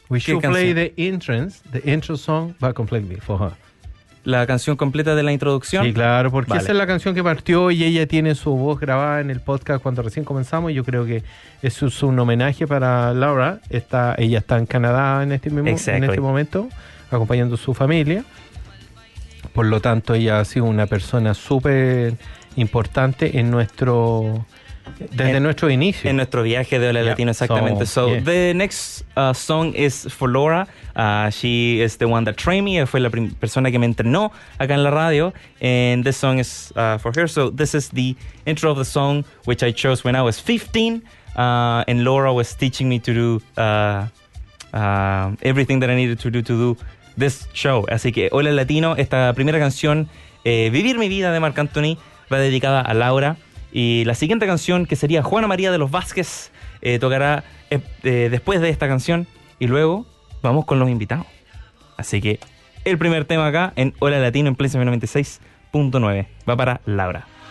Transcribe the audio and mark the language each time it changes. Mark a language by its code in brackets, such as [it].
[en] We should play the intro song, but completely for her. [es] La canción completa de la introducción. Sí, claro, porque vale. Esa es la canción que partió y ella tiene su voz grabada en el podcast cuando recién comenzamos. Y yo creo que eso es un homenaje para Laura. Ella está en Canadá en este momento, acompañando a su familia. Por lo tanto, ella ha sido una persona súper importante en nuestro Desde nuestro inicio. En nuestro viaje de Ole Latino, [en] yeah, [es] exactamente. [en] So yeah. The next song is for Laura. She is the one that trained me. [es] Ella fue la persona que me entrenó acá en la radio. [en] And this song is for her. So this is the intro of the song, which I chose when I was 15. And Laura was teaching me to do everything that I needed to do this show. [es] Así que Ole Latino, esta primera canción, Vivir mi vida de Marc Anthony, va dedicada a Laura. Y la siguiente canción, que sería Juana María de los Vázquez, tocará después de esta canción. Y luego vamos con los invitados. Así que el primer tema acá en Hola Latino en Place 96.9 va para Laura.